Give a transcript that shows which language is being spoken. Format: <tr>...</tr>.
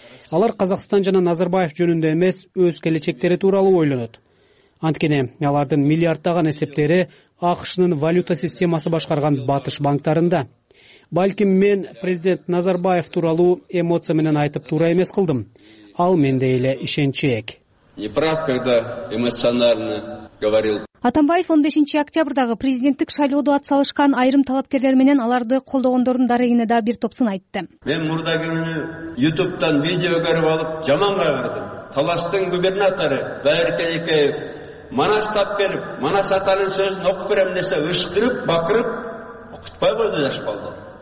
<ky>Алар Казакстан жана Назарбаев жөнүндө эмес, өз келечектери тууралуу ойлонот. Анткени алардын миллиарддаган эсептери АКШнын валюта системасы башкарган Батыш банктарында. Балким мен президент Назарбаев тууралуу эмоция менен айтып туура эмес кылдым. Ал менде эле ишенчек.</ky> <ru>Не прав, когда эмоционально говорил.</ru> <ky>Атамбаев 15 октябрдагы президенттик шайлоодо атсалышкан айрым талапкерлер менен аларды колдогондордун дарыгына да бир топсун айтты. Мен мурда күнү YouTube'тан видео көрүп алып, жаман кайгырдым. Талаштын губернатору Дайыр Кенекеев Манас тапкерип, Манас атанын сөзүн окуп берем десе ышкырып, бакырып окутпай койду жаш балды.</ky>